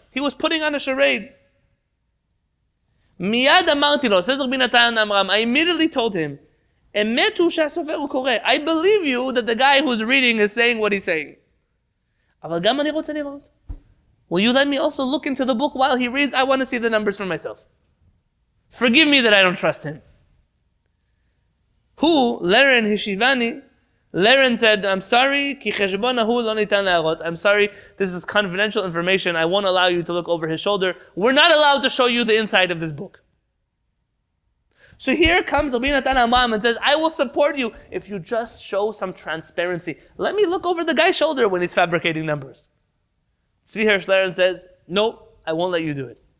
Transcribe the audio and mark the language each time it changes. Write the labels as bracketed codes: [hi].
[en] He was putting on a charade. [he] מיד אמרתי לו, [en] says Rabbi Natan Amram, I immediately told him, [he] אמת הוא שהסופר הוא קורא. [en] I believe you that the guy who's reading is saying what he's saying. [he] אבל גם אני רוצה לראות. [en] Will you let me also look into the book while he reads? I want to see the numbers for myself. Forgive me that I don't trust him. [he] הוא, לרן השיבני, לרן [en] said, I'm sorry, [he] כי חשבון ההוא לא ניתן להראות. [en] I'm sorry, this is confidential information. I won't allow you to look over his shoulder. We're not allowed to show you the inside of this book. So here comes Rabbi Natan Amram and says, I will support you if you just show some transparency. Let me look over the guy's shoulder when he's fabricating numbers. Tzvi Hirsch Lerin says, nope, I won't let you do it.